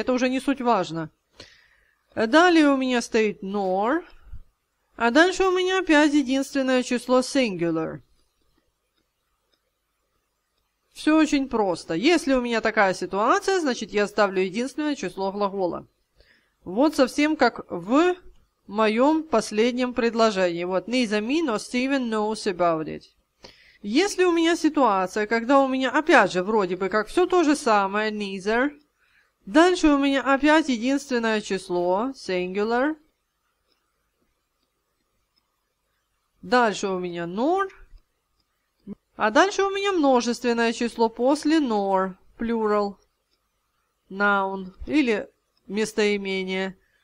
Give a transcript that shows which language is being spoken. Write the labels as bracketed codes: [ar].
[ru] Это уже не суть важно. Далее у меня стоит nor, а дальше у меня опять единственное число singular. Все очень просто. Если у меня такая ситуация, значит я ставлю единственное число глагола. Вот совсем как в моем последнем предложении. Вот [en] neither me nor Steven knows about it. [ru] Если у меня ситуация, когда у меня опять же вроде бы как все то же самое, neither. Дальше у меня опять единственное число, singular. Дальше у меня nor. А дальше у меня множественное число после nor, plural, noun или местоимение.